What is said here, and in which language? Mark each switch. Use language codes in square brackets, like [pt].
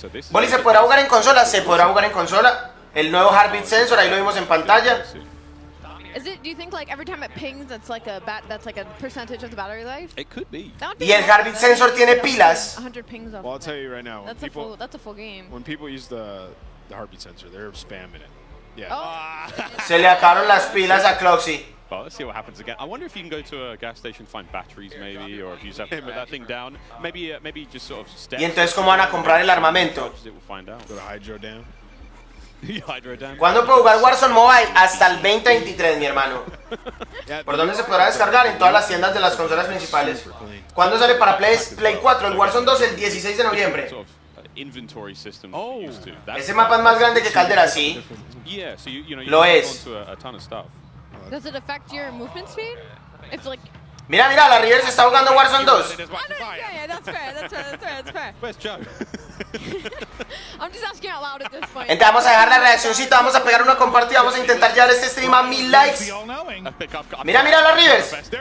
[es] Boli, ¿se podrá jugar en consola? Se podrá jugar en consola. El nuevo Heartbeat Sensor, ahí lo vimos en pantalla. [en] here. Is it? Do you think like every time it pings, that's like a bat? That's like a percentage of the battery life? It could be. [es] Y el Garmin sensor tiene pilas. [en] 100 pings. Well, I'll tell you right now. That's people, a full. That's a full game. When people use the heartbeat sensor, they're spamming it. Yeah. Oh. [es] Se le acabaron las pilas a Cloxy. [en] Well, let's see what happens again. I wonder if you can go to a gas station, find batteries maybe, or if you just have to put that thing down. Maybe, maybe just sort of step. [es] Y entonces, ¿cómo van a comprar el armamento? [en] We'll find out. Go to Hydro Dam. Hydro Dam. [es] ¿Cuándo puedo jugar Warzone Mobile? Hasta el 2023, mi hermano. ¿Por dónde se podrá descargar? En todas las tiendas de las consolas principales. ¿Cuándo sale para Play 4? El Warzone 2 el 16 de noviembre. [en] Inventory system. [es] Oh, ese mapa es más grande que Caldera, sí. [en] Yeah, so you know, [es] lo es. [en] A ton of stuff. Does it affect your movement speed? It's like. [es] Mira, mira, la Riders está jugando Warzone 2. [en] Yeah, that's fair. Where's Joe? I'm just asking out loud at this point. [es] Entonces vamos a dejar la reaccióncita, vamos a pegar una compartida, vamos a intentar llevar este stream a 1000 likes. Mira, mira, la Riders.